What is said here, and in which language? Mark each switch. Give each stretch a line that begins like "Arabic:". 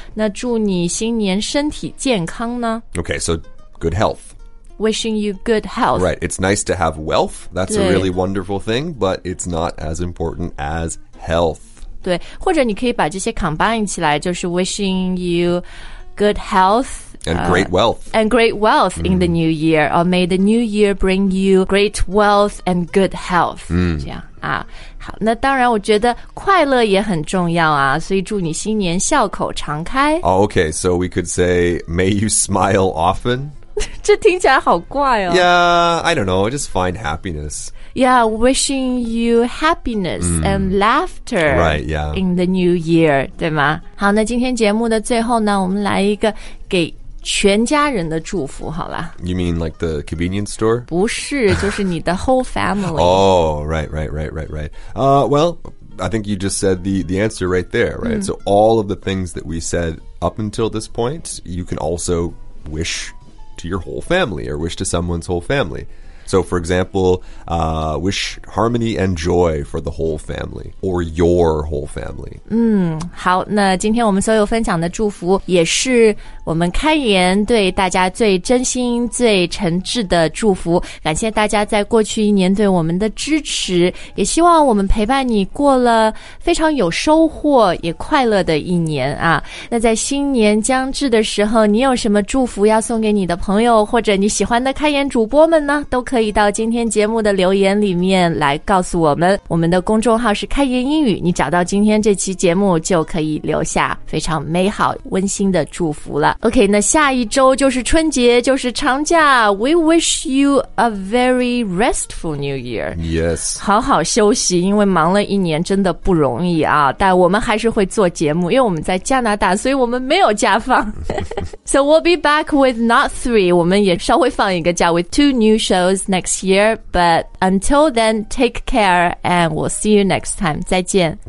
Chinese: 那祝你新年身体健康呢?
English: Okay, so good health. Wishing you good health. Right, it's nice to have wealth. That's a really wonderful thing, but it's not as important as health.
Chinese: 对,或者你可以把这些 combine 起来,就是
English: wishing you good health. And great wealth. And great wealth in the new year. Or may the new year bring you great wealth and good health.
Chinese: 这样啊。好，那当然我觉得快乐也很重要啊。所以祝你新年笑口常开。
English: Oh, okay, so we could say, may you smile often.
Chinese: 这听起来好怪哦。
English: Yeah, I don't know, I just find happiness. Yeah, wishing you happiness and laughter right, yeah. in the new year, 对吗？
Chinese: 好，那今天节目的最后呢，我们来一个给全家人的祝福好了。
English: You mean like the convenience store?
Chinese: 不是，就是你的
English: whole family. Oh, right. Well, I think you just said the answer right there, right? So all of the things that we said up until this point, you can also wish to your whole family or wish to someone's whole family. So for example, wish harmony and joy for the whole family or your whole family.
Chinese: 好，那今天我们所有分享的祝福也是我们开言对大家最真心最诚挚的祝福，感谢大家在过去一年对我们的支持，也希望我们陪伴你过了非常有收获也快乐的一年啊。那在新年将至的时候，你有什么祝福要送给你的朋友或者你喜欢的开言主播们呢？都可以到今天节目的留言里面来告诉我们，我们的公众号是开言英语，你找到今天这期节目就可以留下非常美好温馨的祝福了。 OK, 那下一周就是春节，就是长假。
English: We wish you a very restful new year. Yes.
Chinese: 好好休息，因为忙了一年真的不容易啊。但我们还是会做节目，因为我们在加拿大，所以我们没有假放。
English: So we'll be back with not three,
Chinese: 我们也稍微放一个假
English: with two new shows next year. But until then, take care and we'll see you next time. 再见。